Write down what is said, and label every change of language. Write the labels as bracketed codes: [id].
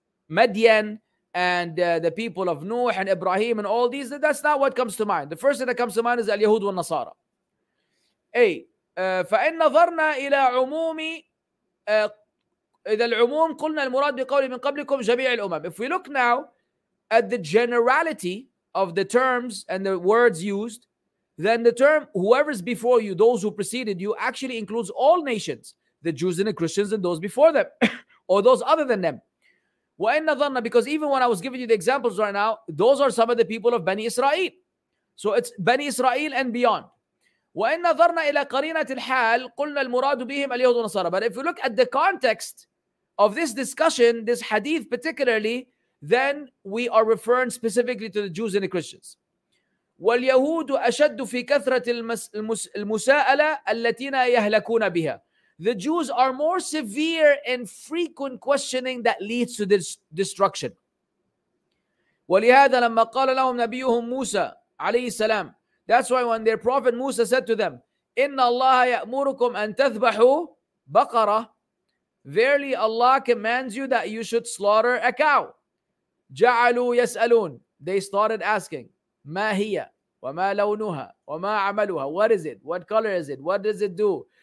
[en] Madian and the people of Nuh and Ibrahim and all these. That's not what comes to mind. The first thing that comes to mind is al-Yahud wal-Nasara. [ar] أي فإن نظرنا إلى عموم إذا العموم قلنا المراد بقوله من قبلكم جميع الأمم. [en] If we look now at the generality of the terms and the words used, then the term whoever's before you, those who preceded you, actually includes all nations, the Jews and the Christians and those before them, or those other than them. [ar] وإن نظرنا, [en] because even when I was giving you the examples right now, those are some of the people of Bani Israel. So it's Bani Israel and beyond. [ar] وإن نظرنا إلى قرينة الحال قلنا المراد بهم اليهود والنصارى. [en] But if you look at the context of this discussion, this hadith particularly, then we are referring specifically to the Jews and the Christians. [ar] واليهود أشد في كثرة المساءلة التينا يهلكون بها. [en] The Jews are more severe in frequent questioning that leads to this destruction. [ar] ولهذا لما قال لهم نبيهم موسى عليه السلام. [en] That's why when their prophet Musa said to them, [ar] "Inna Allah ya'murukum an tathbahu baqara," [en] verily Allah commands you that you should slaughter a cow. [ar] Ja'alu yas'alun. [en] They started asking, [ar] "Ma hiya? Wa ma lawnuha? Wa ma 'amaluha? [en] What is it? What color is it? What does it do?"